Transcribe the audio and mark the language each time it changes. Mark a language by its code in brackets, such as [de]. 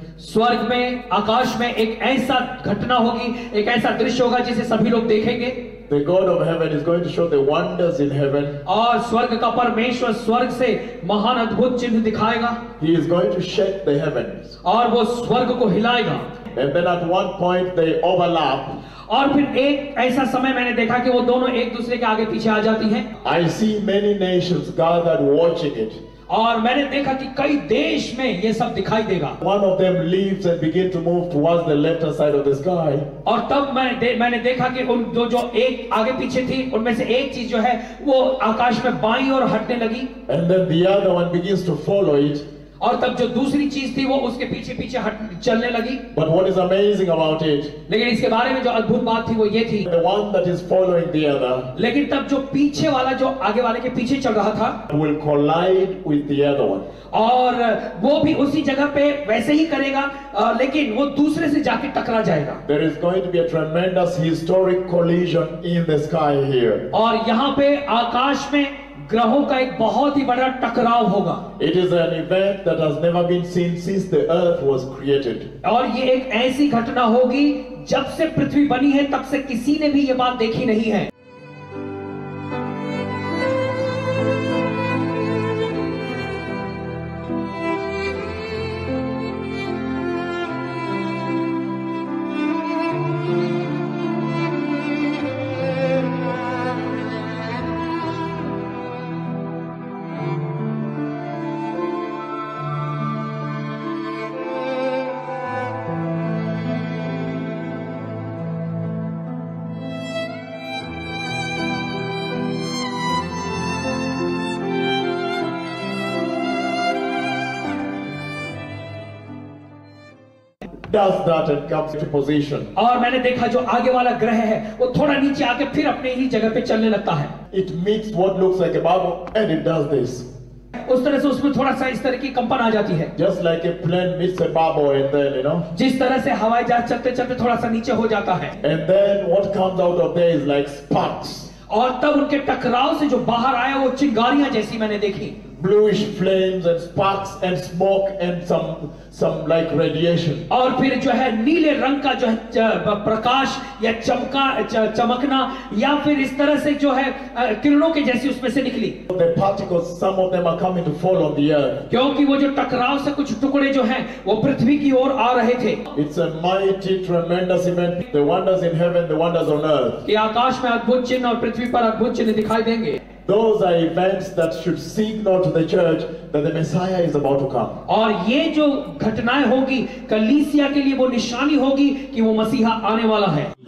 [hi] स्वर्ग में आकाश में एक ऐसा घटना होगी एक ऐसा दृश्य होगा जिसे सभी लोग देखेंगे. [en] The God of heaven is going to show the wonders in heaven. [hi] और स्वर्ग का परमेश्वर स्वर्ग से महान अद्भुत चिन्ह दिखाएगा. [en] He is going to shake the heavens. [hi] और वो स्वर्ग को हिलाएगा. [en] And then at one point they overlap. [hi] और फिर एक ऐसा समय मैंने देखा कि वो दोनों एक दूसरे के आगे पीछे आ जाती हैं. [en] I see many nations gathered watching it. [hi] और मैंने देखा कि कई देश में ये सब दिखाई देगा. [en] One of them leaves and begin to move towards the left hand side of the sky. [hi] और तब मैंने देखा कि उन जो एक आगे पीछे थी उनमें से एक चीज जो है वो आकाश में बाईं ओर हटने लगी. [en] And then the other one begins to follow it. [hi] और तब जो दूसरी चीज थी वो उसके पीछे पीछे चलने लगी. [en] But what is amazing about it? [hi] लेकिन इसके बारे में जो अद्भुत बात थी वो ये थी. [en] The one that is following the other. [hi] लेकिन तब जो पीछे वाला जो आगे वाले के पीछे चल रहा था. [en] Will collide with the other one. [hi] और वो भी उसी जगह पे वैसे ही करेगा लेकिन वो दूसरे से जाके टकरा जाएगा. [en] There is going to be a tremendous historic collision in the sky here. [hi] और यहाँ पे आकाश में ग्रहों का एक बहुत ही बड़ा टकराव होगा. [en] It is an event that has never been seen since the earth was created. [hi] और ये एक ऐसी घटना होगी जब से पृथ्वी बनी है तब से किसी ने भी ये बात देखी नहीं है. [en] Thank you. does that and comes into position. [hi] और मैंने देखा जो आगे वाला ग्रह है, वो थोड़ा नीचे आके फिर अपने ही जगह पे चलने लगता है. [en] It meets what looks like a bubble and it does this. [hi] उस तरह से उसमें थोड़ा सा इस तरह की कंपन आ जाती है. [en] Just like a plane meets a bubble and then, you know. [hi] जिस तरह से हवाई जहाज चलते-चलते थोड़ा सा नीचे हो जाता है. [en] And then what comes out of there is like sparks. [hi] और तब उनके टकराव से जो बाहर आया वो चिंगारियां जैसी मैंने देखी. [en] Bluish flames and sparks and smoke and some like radiation. [hi] और फिर जो है नीले रंग का जो है प्रकाश या चमका चमकना या फिर इस तरह से जो है किरणों के जैसी उसमें से निकली. [en] The particles, some of them are coming to fall on the earth. [hi] क्योंकि वो जो टकराव से कुछ टुकड़े जो हैं वो पृथ्वी की ओर आ रहे थे. [en] It's a mighty, tremendous event. The wonders in heaven, the wonders on earth. [hi] कि आकाश में अद्भुत चिन्ह और पृथ्वी पर अद्भुत चिन्ह दिखाई देंगे. [en] Those are events that should signal to the church that the Messiah is about to come. [hi] और ये जो घटनाएं होगी कलीसिया के लिए वो निशानी होगी कि वो मसीहा आने वाला है.